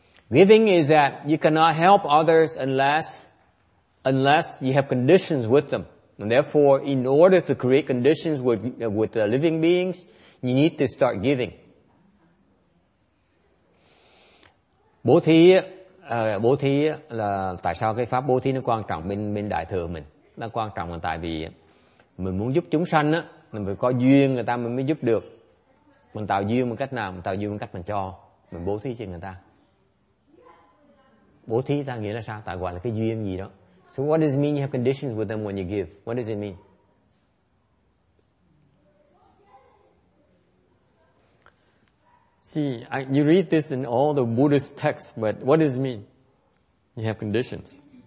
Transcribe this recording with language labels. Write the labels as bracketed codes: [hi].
[en] Giving is that you cannot help others unless you have conditions with them. And therefore, in order to create conditions with the living beings, you need to start giving. [vi] Bố thí là tại sao cái pháp bố thí nó quan trọng bên đại thừa mình. Nó quan trọng là tại vì mình muốn giúp chúng sanh á, mình phải có duyên người ta mình mới giúp được. Mình tạo duyên bằng cách nào? Mình tạo duyên bằng cách mình cho, mình bố thí cho người ta. Bố thí ta nghĩa là sao? Ta gọi là cái duyên gì đó. [en] So what does it mean you have conditions with them when you give? What does it mean? See, you read this in all the Buddhist texts, but what does it mean? You have conditions.